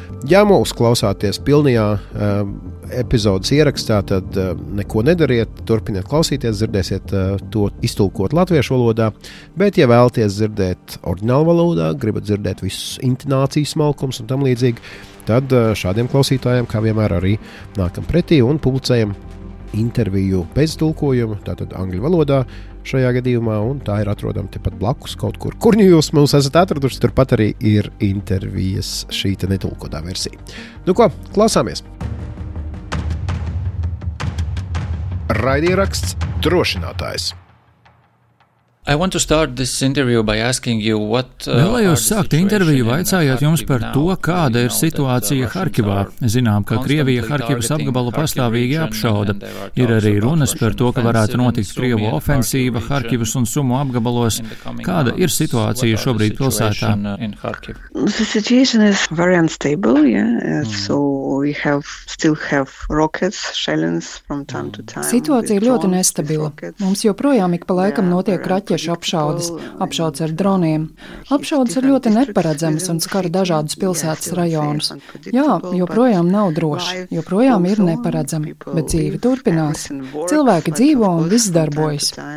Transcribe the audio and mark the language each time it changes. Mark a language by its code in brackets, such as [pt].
[lv] Ja mūs klausāties pilnajā epizodes ierakstā, tad neko nedariet, turpiniet klausīties, dzirdēsiet to iztulkot latviešu valodā, bet ja vēlaties dzirdēt oriģinālu valodā, gribat dzirdēt visus intonācijas smalkums un tam līdzīgi, tad šādiem klausītājiem, kā vienmēr arī nākam pretī un publicējam interviju bez tulkojuma, tātad angļu valodā šajā gadījumā, un tā ir atrodama tepat blakus kaut kur. Kur jūs mums esat atraduši, turpat arī ir intervijas šīta netulkotā versija. Nu ko, klausāmies! Raidieraksts drošinātājs. [en] I want to start this interview by asking you what [lv] Vēlējos sākt interviju vaicājot jums par to, kāda ir situācija Harkivā. Zinām, ka Krievija Harkivas apgabalu pastāvīgi apšauda. Ir arī runas par to, ka varētu notikt Krievu ofensīva Harkivas un Sumu apgabalos. Kāda ir situācija šobrīd pilsētā? [en] The situation is very unstable, yeah. So we still have rockets, shellings from time to time. [lv] Situācija ir ļoti nestabila. Mums joprojām ik pa laikam notiek raķešu apšaudes, apšaudes ar droniem. Apšaudes ir ļoti neparedzamas un skara dažādus pilsētas rajonus. Jā, joprojām nav droši, joprojām ir neparedzami, bet dzīve turpinās. Cilvēki dzīvo un viss darbojas.